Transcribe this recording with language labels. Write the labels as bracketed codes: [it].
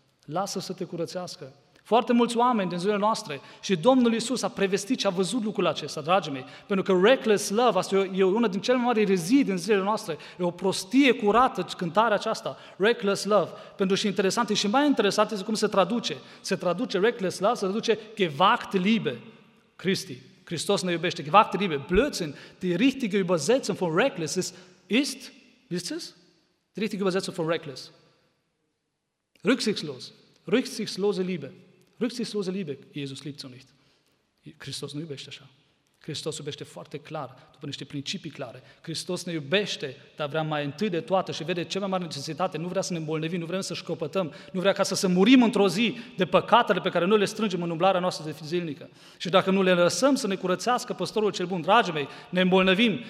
[ro] Lasă să te curățească. Foarte mulți oameni din zilele noastre și Domnul Iisus a prevestit și a văzut lucrul acesta, dragii mei, pentru că reckless love, asta e una din cele mai mari erezii din zilele noastre, e o prostie curată cântarea aceasta, reckless love, pentru și interesant, și mai interesant este cum se traduce. Se traduce reckless love, se traduce [de] gewagt Liebe Christi. [ro] Hristos ne iubește, [de] gewagt Liebe, Blödsinn, die richtige Übersetzung von reckless ist, wisst ihr's? Die richtige Übersetzung von reckless. Rücksichtslos. Rücksichtslose Liebe. Rücksichtslose Liebe, Iisus liebt so nicht. [ro] Hristos nu iubește așa. Hristos iubește foarte clar, după niște principii clare. Hristos ne iubește, dar vrea mai întâi de toate și vede cea mai mare necesitate. Nu vrea să ne îmbolnăvim, nu vrem să școpătăm, nu vrea ca să murim într-o zi de păcatele pe care noi le strângem în umblarea noastră de zilnică. Și dacă nu le lăsăm să ne curățească păstorul cel bun, dragii mei, ne îmbolnăvim.